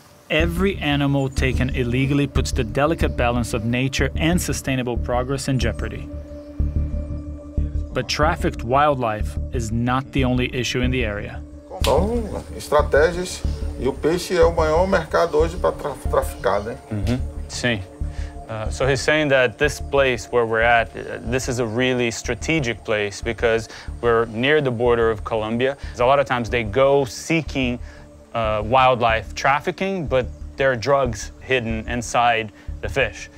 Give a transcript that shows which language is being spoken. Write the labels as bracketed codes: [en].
[en] Every animal taken illegally puts the delicate balance of nature and sustainable progress in jeopardy. But trafficked wildlife is not the only issue in the area. [pt] Então, estratégias, e o peixe é o maior mercado hoje para traficar, né? Sim. [en] So he's saying that this place where we're at, this is a really strategic place because we're near the border of Colombia. A lot of times they go seeking wildlife trafficking, but there are drugs hidden inside the fish.